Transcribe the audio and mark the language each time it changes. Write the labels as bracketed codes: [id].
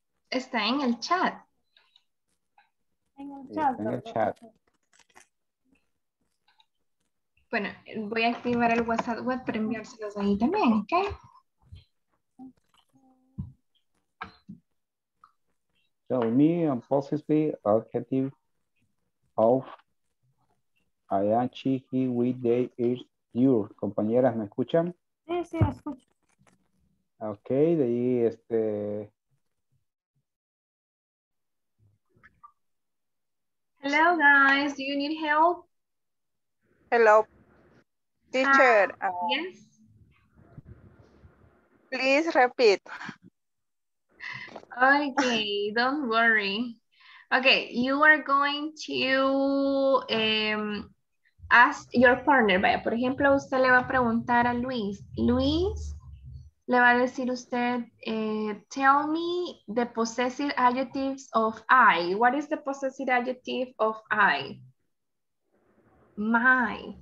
[es] Está en el chat. En el chat. Está en el chat. Bueno, voy a activar el WhatsApp web para enviárselos ahí también, ¿ok? [en] So, me and possibly adjective of I am she, he, we, they, is you. [es] Compañeras, ¿me escuchan? Sí, sí, la escucho. Ok, de ahí este... [en] Hello, guys. Do you need help? Hello. Teacher, yes. Please repeat. Okay, don't worry. Okay, you are going to ask your partner. [es] Vaya, por ejemplo, usted le va a preguntar a Luis. Luis, le va a decir usted, [en] tell me the possessive adjectives of I. What is the possessive adjective of I? My.